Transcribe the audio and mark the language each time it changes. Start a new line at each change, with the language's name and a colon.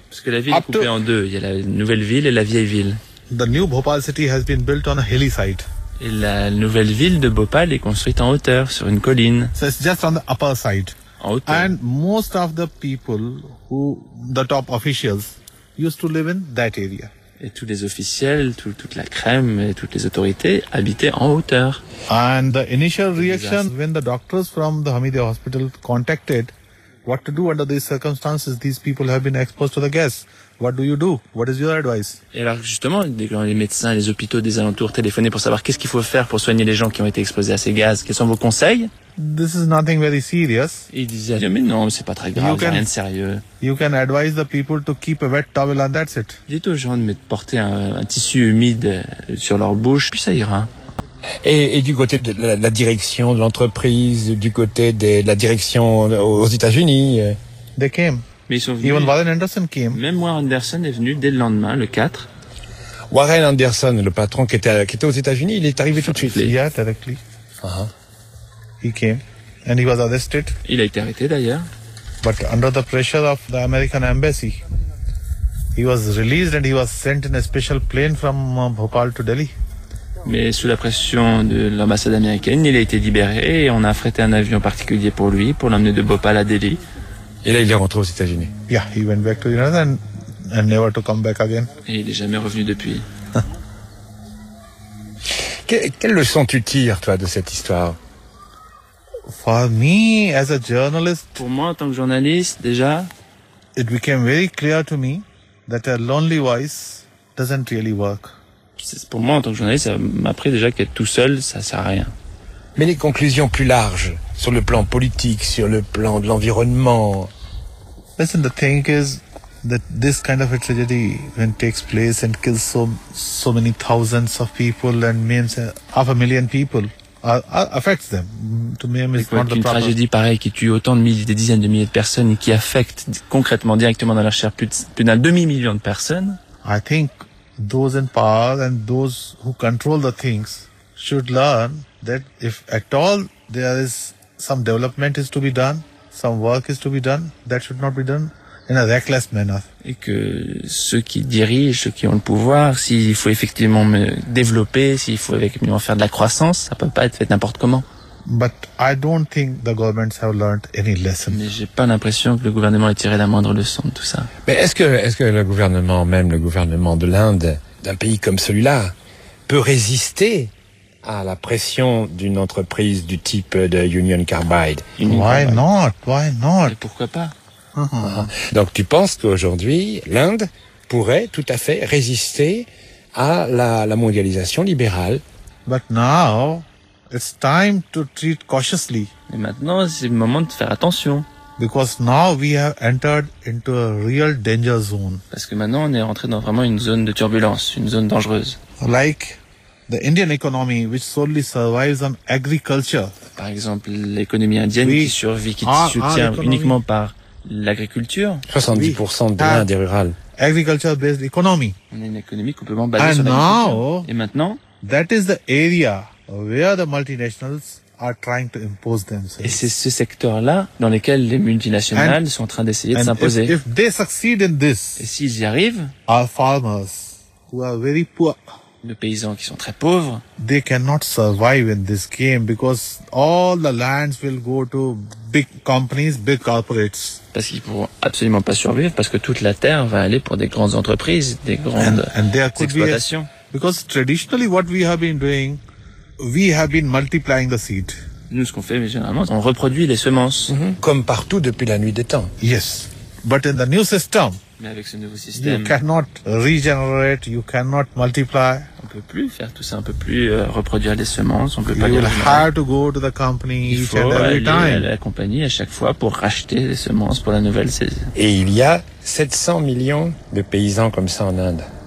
French: Parce que la ville est coupée en deux. Il y a la nouvelle ville et la vieille ville.
English: The new Bhopal city has been built on a hilly site.
French: Et la nouvelle ville de Bhopal est construite en hauteur, sur une colline.
English: So it's just on the upper side.
French: En hauteur.
English: And most of the people who, the top officials, used to live in that area.
French: Et tous les officiels, toute la crème et toutes les autorités habitaient en hauteur.
English: And the initial reaction when the doctors from the Hamidiya hospital contacted, what to do under these circumstances, these people have been exposed to the gas. What do you do? What is your advice?
French: Et alors justement, les médecins, les hôpitaux des alentours téléphonaient pour savoir qu'est-ce qu'il faut faire pour soigner les gens qui ont été exposés à ces gaz. Quels sont vos conseils?
English: This is nothing very serious.
French: Et ils disaient, mais non, c'est pas très grave, rien de sérieux.
English: You can advise the people to keep a wet towel and that's it.
French: Dites aux gens de porter un tissu humide sur leur bouche, puis ça ira. Et du côté de la direction de l'entreprise, du côté de la direction aux États-Unis,
English: they came.
French: Mais ils sont venus.
English: Even Warren Anderson came.
French: Même Warren Anderson est venu dès le lendemain, le 4. Warren Anderson, le patron qui était aux États-Unis, il est arrivé tout de suite.
English: Yeah, directly. He came and he was arrested.
French: Il a été arrêté d'ailleurs.
English: But under the pressure of the American embassy, he was released and he was sent in a special plane from Bhopal to Delhi.
French: Mais sous la pression de l'ambassade américaine, il a été libéré et on a affrété un avion particulier pour lui pour l'emmener de Bhopal à Delhi. Et là, il est rentré aux États-Unis.
English: Yeah, he went back to the United States and never to come back again.
French: Et il n'est jamais revenu depuis. Quelle leçon tu tires, toi, de cette histoire?
English: For me, as a journalist,
French: pour moi, en tant que journaliste, déjà,
English: it became very clear to me that a lonely voice doesn't really work.
French: Pour moi, en tant que journaliste, ça m'a appris déjà qu'être tout seul, ça ne sert à rien. Mais les conclusions plus larges, sur le plan politique, sur le plan de l'environnement.
English: Listen, the thing is that this kind of a tragedy, when it takes place and kills so many thousands of people and maims half a million people, affects them. To me, it's not the problem.
French: Une tragédie pareille qui tue autant de milliers, des dizaines de milliers de personnes et qui affecte concrètement, directement dans leur chair plus d'un demi-million de personnes.
English: I think those in power and those who control the things should learn that if at all there is some development is to be done, some work is to be done, that should not be done in a reckless manner.
French: Et que ceux qui dirigent, ceux qui ont le pouvoir, s'il faut effectivement me développer, s'il faut effectivement faire de la croissance, ça peut pas être fait n'importe comment.
English: But I don't think the governments have learned any lesson.
French: Mais j'ai pas l'impression que le gouvernement ait tiré la moindre leçon de tout ça. Mais est-ce que le gouvernement, même le gouvernement de l'Inde, d'un pays comme celui-là, peut résister à la pression d'une entreprise du type de Union Carbide?
English: Why not?
French: Et pourquoi pas? Donc tu penses qu'aujourd'hui, l'Inde pourrait tout à fait résister à la mondialisation libérale?
English: But now, it's time to treat cautiously.
French: Et maintenant, c'est le moment de faire attention.
English: Because now we have entered into a real danger zone.
French: Parce que maintenant, on est rentré dans vraiment une zone de turbulence, une zone dangereuse.
English: Like the Indian economy, which solely survives on agriculture.
French: Par exemple, l'économie indienne qui se soutient uniquement par l'agriculture. 70% de l'Inde est rurale.
English: Agriculture-based economy.
French: On est une économie complètement basée sur l'agriculture. Et maintenant,
English: that is the area where the multinationals are trying to impose themselves.
French: Et c'est ce secteur-là dans lequel les multinationales sont en train d'essayer de s'imposer.
English: If they succeed in this,
French: et s'ils y arrivent,
English: our farmers, who are very poor,
French: les paysans qui sont très pauvres,
English: they cannot survive in this game because all the lands will go to big companies, big corporates.
French: Parce qu'ils pourront absolument pas survivre parce que toute la terre va aller pour des grandes entreprises, des grandes exploitations.
English: Because traditionally what we have been doing, we have been multiplying the seed.
French: Nous, ce qu'on fait, généralement, on reproduit les semences. Mm-hmm. Comme partout depuis la nuit des temps.
English: Yes. But in the new system,
French: mais avec ce nouveau système,
English: you cannot regenerate, you cannot multiply.
French: On peut plus faire tout ça, on peut plus reproduire les semences, on peut
English: you
French: pas
English: will have to go to the company each and every time.
French: Il faut aller à la compagnie à chaque fois pour racheter les semences pour la nouvelle saison. Et il y a 700 millions de paysans comme ça en Inde.